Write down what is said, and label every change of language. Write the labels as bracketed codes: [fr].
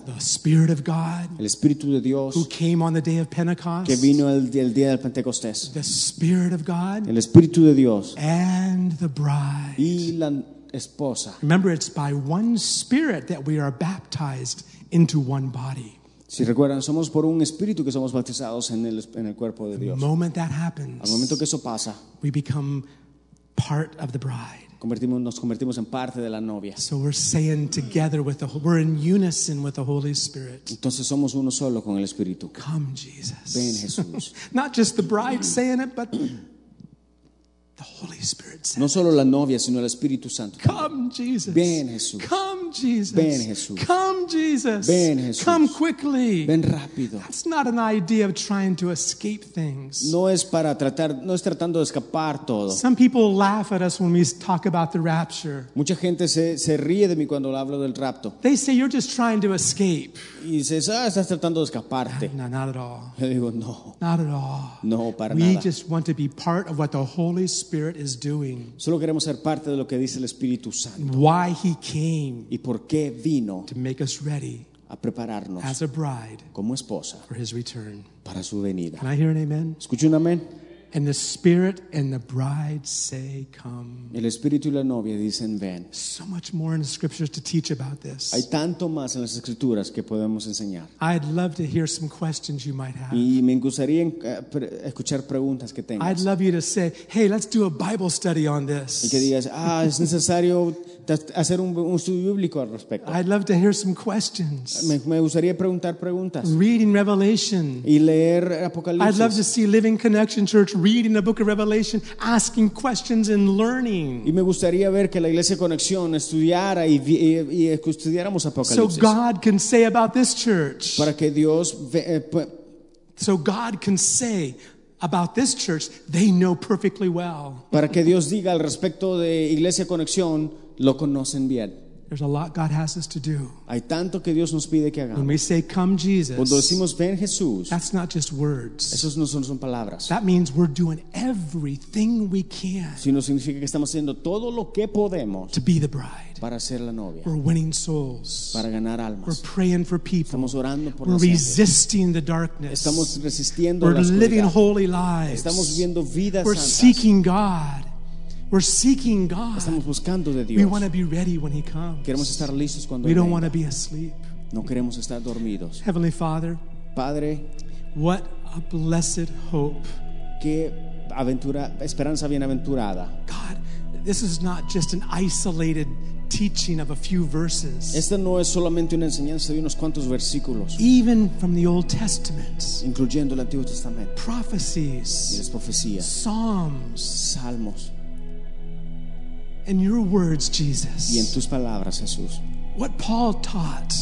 [en] the Spirit of God, [es] el Espíritu de Dios, [en] who came on the day of Pentecost, [es] que vino el día del Pentecostés, [en] the Spirit of God, [es] el Espíritu de Dios, [en] and the Bride, [es] y la esposa. [en] Remember, it's by one Spirit that we are baptized into one body. [es] Si recuerdan, somos por un espíritu que somos bautizados en el cuerpo de Dios. [en] The moment that happens, [es] al momento que eso pasa, [en] we become part of the Bride. [es] Nos convertimos en parte de la novia. [en] So we're saying together with the, we're in unison with the Holy Spirit. [es] Entonces somos uno solo con el Espíritu. [en] Come, Jesus. [es] Ven, Jesús. [en] Not just the bride saying it, but the Holy Spirit saying it. [es] No solo la novia, sino el Espíritu Santo. [en] Come, Jesus. [es] Ven, Jesús. [en] Come, Jesus. [es] Ven, Jesús. [en] Come, Jesus. [es] Ven, Jesús. [en] Come quickly. [es] Ven rápido. [en] That's not an idea of trying to escape things. [es] No es tratando de escapar todo. [en] Some people laugh at us when we talk about the rapture. [es] Mucha gente se ríe de mí cuando hablo del rapto. [en] They say you're just trying to escape. [es] Y dices, estás tratando de escaparte. [en] No, not at all. [es] Yo digo, no. [en] Not at all. [es] No, para [en] we [es] nada. [en] We just want to be part of what the Holy Spirit is doing. [es] Solo queremos ser parte de lo que dice el Espíritu Santo. [en] Why he came. [es] Y por qué vino [en] to make us ready [es] a prepararnos [en] as a bride [es] como esposa [en] for his return. [es] Para su venida. [en] Can I hear an amen? [es] ¿Escucho un amén? [en] And the Spirit and the Bride say, come. [es] El Espíritu y la novia dicen, ven. [en] So much more in the scriptures to teach about this. [es] Hay tanto más en las escrituras que podemos enseñar. [en] I'd love to hear some questions you might have. [es] Y me gustaría escuchar preguntas que tengas. [en] I'd love you to say, hey, let's do a Bible study on this. [es] Y que digas, es necesario hacer un estudio bíblico al respecto. [en] I'd love to hear some questions. [es] Me gustaría preguntar preguntas. [en] Reading Revelation. [es] Y leer Apocalipsis. [en] I'd love to see Living Connection Church reading the book of Revelation, asking questions and learning. [es] Y me gustaría ver que la iglesia Conexión estudiara y estudiáramos Apocalipsis. [en] So God can say about this church. [es] Para que Dios [en] So God can say about this church, they know perfectly well. [es] Para que Dios diga al respecto de Iglesia Conexión, lo conocen bien. [en] There's a lot God has us to do. [es] Hay tanto que Dios nos pide que hagamos. [en] When we say, come Jesus, [es] cuando decimos, ven Jesús, [en] that's not just words. [es] Esos no son, son palabras. [en] That means we're doing everything we can, [es] sino significa que estamos haciendo todo lo que podemos, [en] to be the bride. [es] Para ser la novia. [en] We're winning souls. [es] Para ganar almas. [en] We're praying for people. [es] Estamos orando por [en] we're resisting the darkness. [es] Estamos resistiendo [en] we're [es] la oscuridad. [en] Living holy lives. [es] Estamos viviendo vidas [en] we're [es] santas. [en] Seeking God. We're seeking God. [es] Estamos buscando de Dios. [en] We want to be ready when He comes. [es] Queremos estar listos cuando [en] we [es] venga. [en] Don't want to be asleep. [es] No queremos estar dormidos. [en] Heavenly Father, [es] Padre, [en] what a blessed hope. [es] Qué aventura, esperanza bienaventurada. [en] God, this is not just an isolated teaching of a few verses. [es] Esta no es solamente una enseñanza de unos cuantos versículos. [en] Even from the Old Testament, [es] incluyendo el Antiguo Testamento, [en] prophecies, [es] y las profecías, [en] Psalms, [es] Salmos. [en] In your words, Jesus. [es] Y en tus palabras, Jesús. [en] What Paul taught.